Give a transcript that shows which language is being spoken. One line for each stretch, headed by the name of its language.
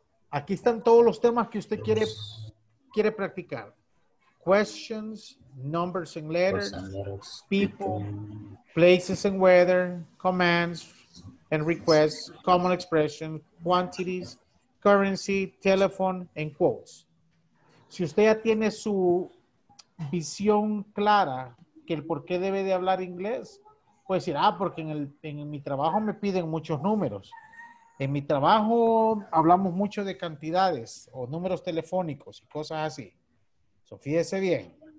Spanish: Aquí están todos los temas que usted quiere practicar.
English: Questions, numbers and letters, people, places and weather, commands and requests, common expressions, quantities, currency, telephone and quotes.
Spanish: Si usted ya tiene su visión clara que el por qué debe de hablar inglés, puede decir, ah, porque en mi trabajo me piden muchos números. En mi trabajo hablamos mucho de cantidades o números telefónicos y cosas así. So, fíjese bien.